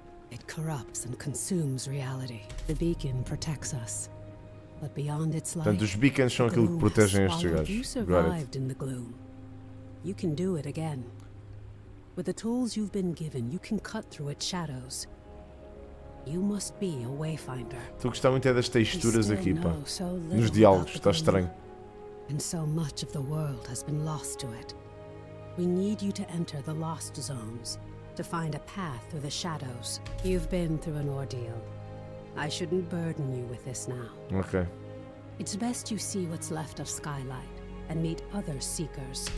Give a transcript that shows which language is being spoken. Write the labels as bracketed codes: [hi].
[en] It corrupts and consumes reality. The beacon protects us. But beyond its light, [pt] portanto, os beacons são aquilo que protegem estes gajos. [en] You survived in the gloom. You can do it again. With the tools you've been given, you can cut through its shadows. You must be a wayfinder. [pt] Estou a gostar muito é das texturas aqui, pá. Nos diálogos, está estranho. [en] And so much of the world has been lost to it. We need you to enter the lost zones to find a path through the shadows. You've been through an ordeal. I shouldn't burden you with this now. Okay. It's best you see what's left of Skylight and meet other seekers.